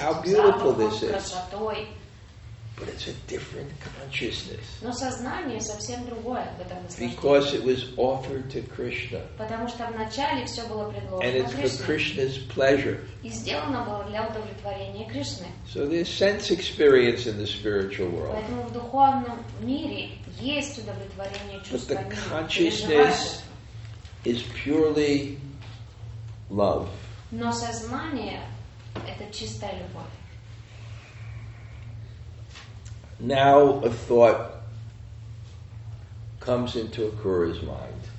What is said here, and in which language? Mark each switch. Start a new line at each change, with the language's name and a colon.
English: How beautiful this is.
Russian: Красотой.
English: But it's a different consciousness.
Russian: Но сознание совсем другое в этом смысле.
English: Because it was offered to Krishna.
Russian: Потому что вначале все было предложено Кришне.
English: And it's for Krishna's pleasure.
Russian: И сделано было для удовлетворения Кришны.
English: So there's sense experience in the spiritual world.
Russian: Поэтому в духовном мире есть удовлетворение чувствами.
English: But the consciousness is purely love.
Russian: Но сознание это чистая любовь.
English: Now a thought comes into Akura's mind.